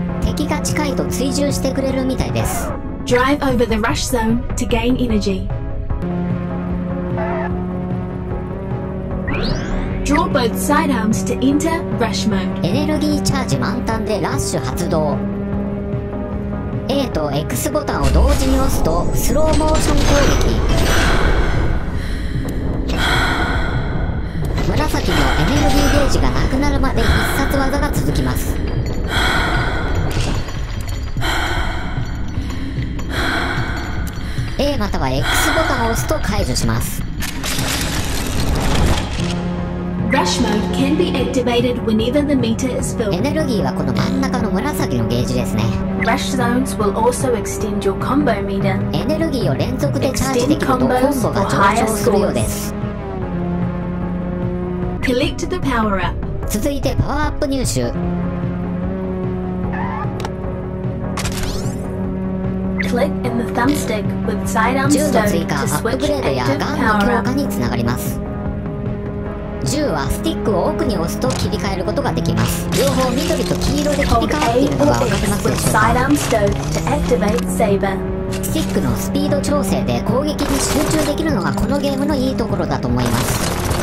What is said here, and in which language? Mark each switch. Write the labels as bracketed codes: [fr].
[ja] 敵が近いと追従してくれるみたいです。 [en] Drive over the rush zone to gain energy. Draw both sidearms to enter rush mode. [ja] エネルギーチャージ満タンでラッシュ発動。A と X ボタンを同時に押すとスローモーション攻撃。紫のエネルギーゲージがなくなるまで必殺技が続きます。 A または X ボタンを押すと解除します。 [en] Rush mode can be activated whenever the meter is filled. [ja] エネルギーはこの真ん中の紫のゲージですね。 [en] Rush zones will also extend your combo meter. [ja] エネルギーを連続でチャージできるとコンボが上昇するようです。 [en] Collect the power up. [ja] 続いてパワーアップ入手。 [en] Click in the thumbstick with sidearm stone to switch active power up. [ja] 銃の追加、アップグレードやガンの強化につながります。銃はスティックを奥に押すと切り替えることができます。両方緑と黄色で切り替わっているのが分かりますでしょうか。 [en] Hold A or X with sidearm stone to activate saber. [ja] スティックのスピード調整で攻撃に集中できるのがこのゲームのいいところだと思います。